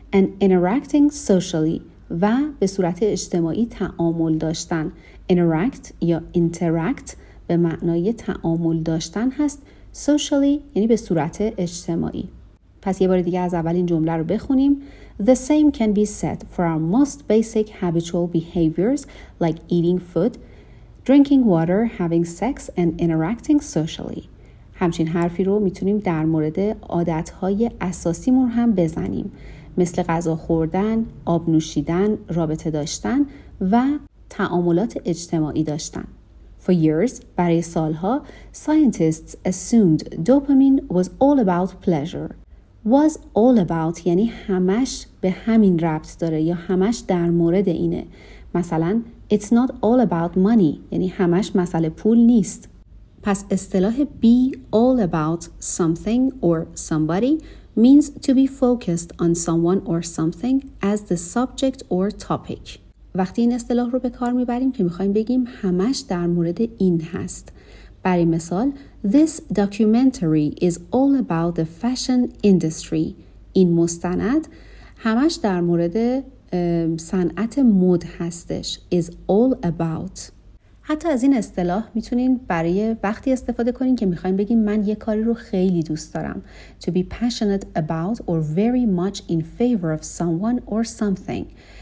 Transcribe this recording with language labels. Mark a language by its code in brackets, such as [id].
[en] And interacting socially، [fa] و به صورت اجتماعی تعامل داشتن. Interact یا interact به معنای تعامل داشتن هست. Socially یعنی به صورت اجتماعی. پس یه بار دیگه از اول این جمله رو بخونیم. [en] The same can be said for our most basic habitual behaviors like eating food, drinking water, having sex, and interacting socially. [fa] همچین حرفی رو میتونیم در مورد عادت‌های اساسیمون هم بزنیم. مثل غذا خوردن، آب نوشیدن، رابطه داشتن و تعاملات اجتماعی داشتن. [en] For years, [fa] برای سالها, [en] scientists assumed dopamine was all about pleasure. Was all about [fa] یعنی همش به همین ربط داره یا همش در مورد اینه. مثلا [en] it's not all about money [fa] یعنی همش مسئله پول نیست. پس اصطلاح [en] be all about something or somebody means to be focused on someone or something as the subject or topic. [fa] وقتی این اصطلاح رو به کار میبریم که میخوایم بگیم همش در مورد این هست. برای مثال [en] This documentary is all about the fashion industry. [fa] این مستند همش در مورد صنعت مد هستش. [en] Is all about. [fa] حتی از این اصطلاح میتونین برای وقتی استفاده کنین که میخواییم بگیم من یه کاری رو خیلی دوست دارم. [en] To be passionate about or very much in favor of someone or something.